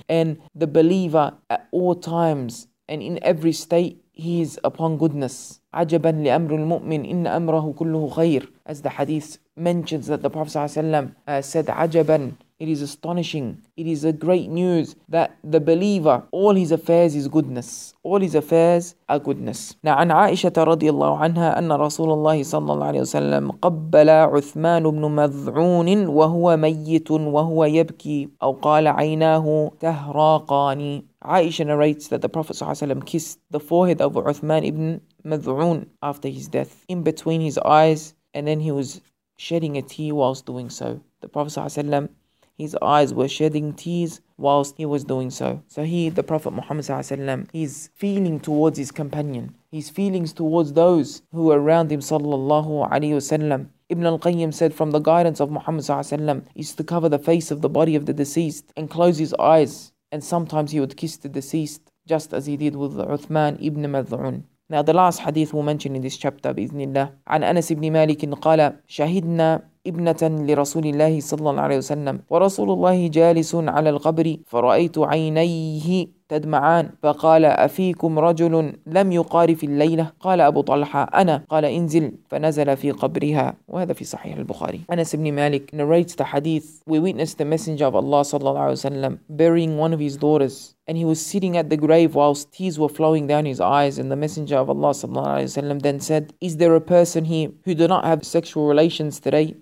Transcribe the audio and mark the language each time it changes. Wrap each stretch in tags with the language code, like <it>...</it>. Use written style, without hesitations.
<en>And the believer at all times and in every state, he is upon goodness.</en> <ar>عَجَبًا لِأَمْرُ الْمُؤْمِنِ إِنَّ أَمْرَهُ كُلُّهُ خَيْرٌ.</ar> <en>As the hadith mentions that the Prophet sallallahu alayhi wa sallam said, عَجَبًا, it is astonishing. It is a great news that the believer, all his affairs is goodness. All his affairs are goodness. Now,</en> <ar>عن عائشة رضي الله عنها أن رسول الله صلى الله عليه وسلم قبل عثمان بن مذعون وهو ميت وهو يبكي أو قال عيناه تهراقاني.</ar> <en>Aisha narrates that the Prophet ﷺ kissed the forehead of Uthman ibn Madhu'un after his death, in between his eyes, and then he was shedding a tear whilst doing so. The Prophet ﷺ, his eyes were shedding tears whilst he was doing so. So he, the Prophet Muhammad ﷺ, his feeling towards his companion, his feelings towards those who were around him sallallahu alayhi wasallam. Ibn al-Qayyim said, from the guidance of Muhammad ﷺ is to cover the face of the body of the deceased and close his eyes. And sometimes he would kiss the deceased, just as he did with Uthman ibn Madhu'un. Now the last hadith we'll mention in this chapter, bi-ithnillah.</en> <ar>An Anas ibn Malik qala, shahidna ibnatan li Rasulillahi sallallahu alayhi wa sallam. Wa Rasulullahi jalisun ala al-qabri, faraitu aynayhi تدمعان. فقال: أفيكم رجل لم يقارف الليلة؟ قال أبو طلحة: أنا. قال: انزل. فنزل في قبرها. وهذا في صحيح البخاري.</ar> <en>أنس بن مالك narrates the hadith. We witnessed the messenger of Allah صلى الله عليه وسلم burying one of his daughters. And he was sitting at the grave whilst tears were flowing down his eyes. And the messenger of Allah sallallahu alayhi wa sallam then said, is there a person here who do not have sexual relations today?</en>